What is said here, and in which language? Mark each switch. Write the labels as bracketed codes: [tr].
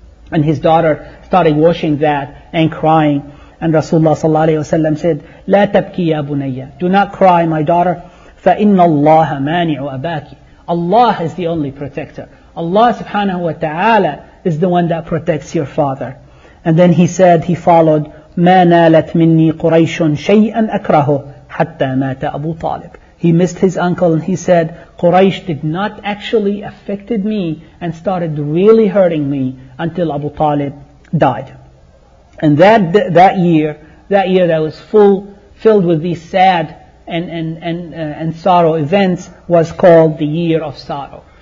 [en] And his daughter started washing that and crying. And Rasulullah sallallahu alayhi wa sallam said, [ar] لَا تَبْكِي يَا بُنَيَّ. [en] Do not cry, my daughter. [ar] فَإِنَّ اللَّهَ مَانِعُ أَبَاكِ. [en] Allah is the only protector. Allah subhanahu wa ta'ala is the one that protects your father. And then he followed, [ar] مَا نَالَتْ مِنِّي قُرَيْشٌ شَيْئًا أَكْرَهُ حَتَّى مَاتَ أَبُو طَالِبٍ. [en] He missed his uncle and he said, Quraysh did not actually affected me and started really hurting me until Abu Talib died. And that year that was filled with these sad and sorrow events was called the year of sorrow.